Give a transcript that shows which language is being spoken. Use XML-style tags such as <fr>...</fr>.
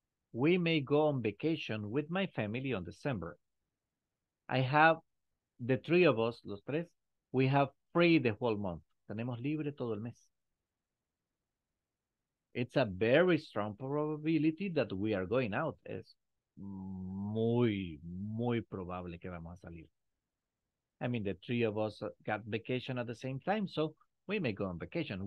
<en>We may go on vacation with my family on December. I have the three of us,</en> <es>los tres,</es> <en>we have free the whole month.</en> <es>Tenemos libre todo el mes.</es> <en>It's a very strong probability that we are going out.</en> <es>Es muy, muy probable que vamos a salir.</es> <en>I mean, the three of us got vacation at the same time, so we may go on vacation.</en>